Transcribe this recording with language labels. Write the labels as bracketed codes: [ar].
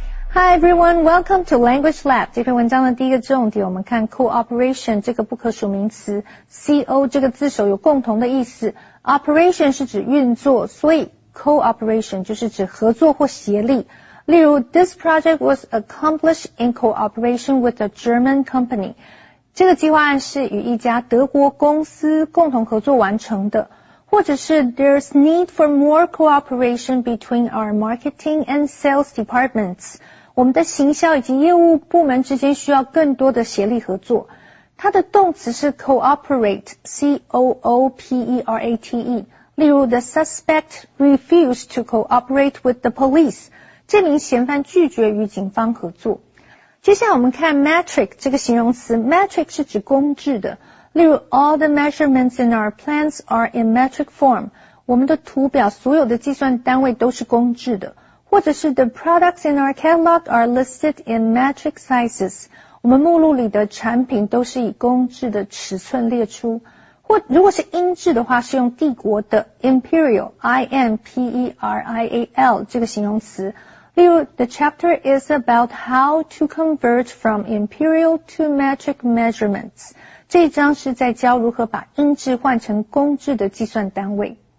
[en] Hi everyone, welcome to Language Lab. [zh] 这篇文章的第一个重点，我们看 cooperation 这个不可数名词 ,co 这个字首有共同的意思。 Operation 是指运作，所以 cooperation 就是指合作或协力。例如 [en] ,this project was accomplished in cooperation with a German company. [zh] 这个计划案是与一家德国公司共同合作完成的。或者是 [en] ,there's need for more cooperation between our marketing and sales departments. [zh] 我们的行销以及业务部门之间需要更多的协力合作。它的动词是 cooperate,C-O-O-P-E-R-A-T-E。例如 [en] ,the suspect refused to cooperate with the police。 [zh] 这名嫌犯拒绝与警方合作。接下来我们看 metric 这个形容词。metric 是指公制的。例如 [en] ,all the measurements in our plans are in metric form。 [zh] 我们的图表所有的计算单位都是公制的。或者是 [en] the products in our catalog are listed in metric sizes. [zh] 我们目录里的产品都是以公制的尺寸列出。或如果是英制的话是用帝国的 imperial, I-M-P-E-R-I-A-L 这个形容词。例如 [en] the chapter is about how to convert from imperial to metric measurements. [zh] 这一章是在教如何把英制换成公制的计算单位。